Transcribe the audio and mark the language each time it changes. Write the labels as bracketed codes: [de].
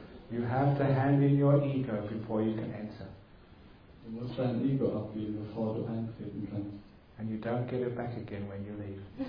[en] You have to hand in your ego before you can enter. [de] Du musst dein Ego abgeben, bevor du eintreten kannst. [en] And you don't get it back again when you leave.